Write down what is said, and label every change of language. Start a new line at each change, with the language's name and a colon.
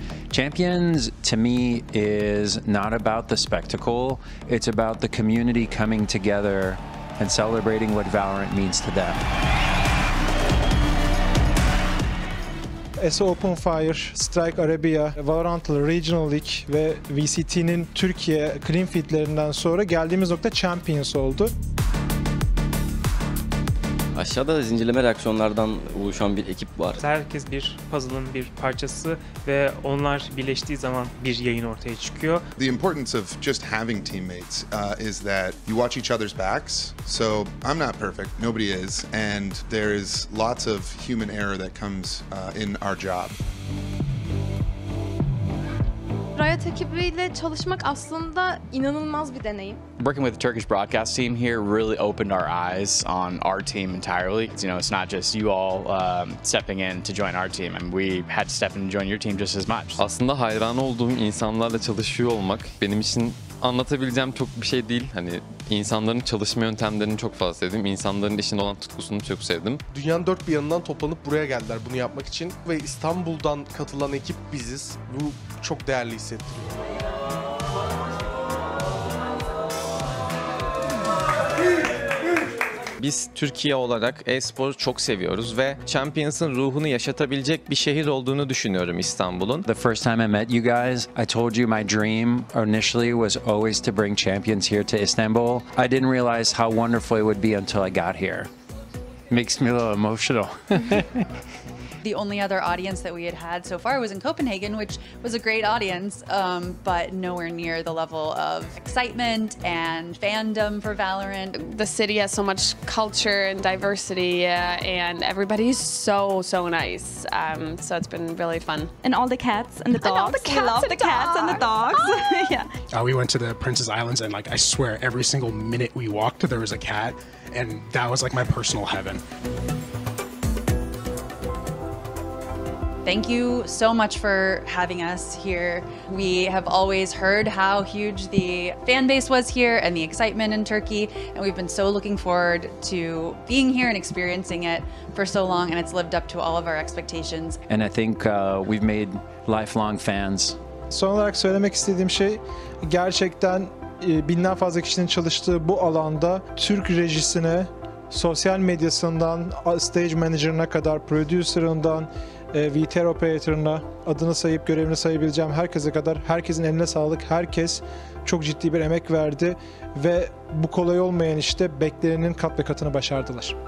English: Champions to me is not about the spectacle. It's about the community coming together and celebrating what Valorant means to them.
Turkish: ESO Open Fire, Strike Arabia, Valorant Regional League ve VCT'nin Türkiye clean feedlerinden sonra geldiğimiz nokta Champions oldu. Aşağıda zincirleme reaksiyonlardan oluşan bir ekip var. Herkes bir puzzle'ın bir parçası ve onlar birleştiği zaman bir yayın ortaya çıkıyor.
English: The importance of just having teammates is that you watch each other's backs. So I'm not perfect, nobody is, and there is lots of human error that comes in our job.
Turkish: Riot ekibiyle çalışmak aslında inanılmaz bir deneyim.
English: Working with the Turkish broadcast team here really opened our eyes on our team entirely. You know, it's not just you all stepping in to join our team. I mean, we had to step in and join your team just as much.
Turkish: Aslında hayran olduğum insanlarla çalışıyor olmak benim için anlatabileceğim çok bir şey değil. Hani insanların çalışma yöntemlerini çok fazla sevdim. İnsanların işinde olan tutkusunu çok sevdim. Dünyanın dört bir yanından toplanıp buraya geldiler bunu yapmak için. Ve İstanbul'dan katılan ekip biziz. Bu çok değerli hissettiriyor. Biz Türkiye olarak e-spor çok seviyoruz ve Champions'ın ruhunu yaşatabilecek bir şehir olduğunu düşünüyorum İstanbul'un.
English: The first time I met you guys, I told you my dream initially was always to bring Champions here to Istanbul. I didn't realize how wonderful it would be until I got here. Makes me a little emotional. The only other audience that we had had so far was in Copenhagen, which was a great audience, but nowhere near the level of excitement and fandom for Valorant. The city has so much culture and diversity, and everybody's so, so nice. So it's been really fun. And all the cats and the dogs. And all the cats, love and, the cats and the dogs. Yeah. We went to the Princess Islands, and like I swear, every single minute we walked, there was a cat, and that was like my personal heaven. Thank you so much for having us here. We have always heard how huge the fan base was here and the excitement in Turkey, and we've been so looking forward to being here and experiencing it for so long, and it's lived up to all of our expectations. And I think we've made lifelong fans.
Turkish: Son olarak söylemek istediğim şey, gerçekten binden fazla kişinin çalıştığı bu alanda Türk rejisine, sosyal medyasından stage manager'ına kadar, producer'ından VTR operatörüne, adını sayıp görevini sayabileceğim herkese kadar, herkesin eline sağlık, herkes çok ciddi bir emek verdi ve bu kolay olmayan işte beklenenin kat ve katını başardılar.